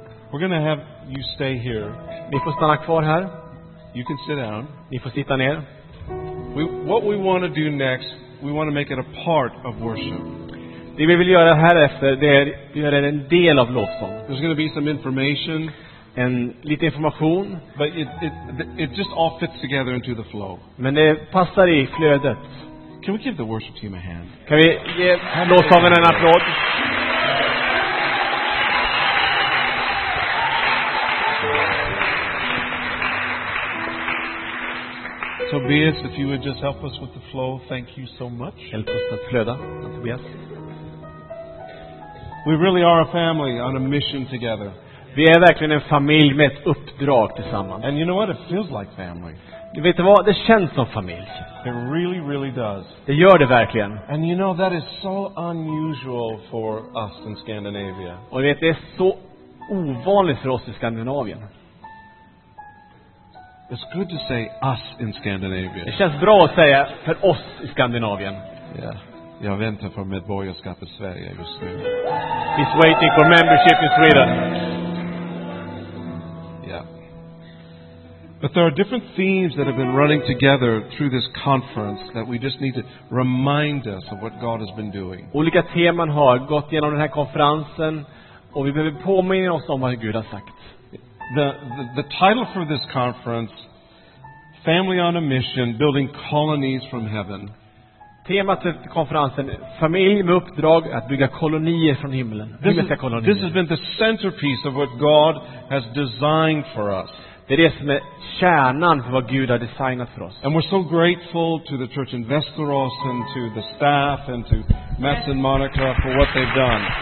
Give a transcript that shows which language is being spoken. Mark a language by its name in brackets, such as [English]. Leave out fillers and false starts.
[English] We're gonna have you stay here. [Swedish] Ni får stanna kvar här. [English] You can sit down. [Swedish] Ni får sitta ner. [English] What we want to do next, we want to make it a part of worship. [Swedish] Det vi vill göra här efter, det är göra det en del av lovsång. [English] There's gonna be some information. [Swedish] En lite information. [English] But it just all fits together into the flow. [Swedish] Men det passar i flödet. [English] Can we give the worship team a hand? Can we give Lord an applaud? Tobias, if you would just help us with the flow, thank you so much. Help us [Swedish] att flöda, Tobias. [English] We really are a family on a mission together. [Swedish] Vi är verkligen en familj med ett uppdrag tillsammans. [English] And you know what? It feels like family. [Swedish] Du vet vad? Det känns som familj. [English] It really, really does. [Swedish] Det gör det verkligen. [English] And you know, that is so unusual for us in Scandinavia. [Swedish] Och vet, det är så ovanligt för oss i Skandinavien. [English] It's good to say us in Scandinavia. [Swedish] Det känns bra att säga för oss i Skandinavien. [English] Yeah. [Swedish] Jag väntar på medborgarskap i Sverige just nu. [English] He's waiting for membership in Sweden. Yeah. But there are different themes that have been running together through this conference that we just need to remind us of what God has been doing. [Swedish] Olika teman har gått genom den här konferensen och vi behöver påminna oss om vad Gud har sagt. [English] The title for this conference, Family on a Mission, Building Colonies from Heaven. [Swedish] Temat för konferensen, familj med uppdrag att bygga kolonier från himlen. [English] This has been the centerpiece of what God has designed for us. [Swedish] Det är det som är kärnan för vad Gud har designat för oss. [English] And we're so grateful to the church in Västerås and to the staff and to Mats and Monica for what they've done.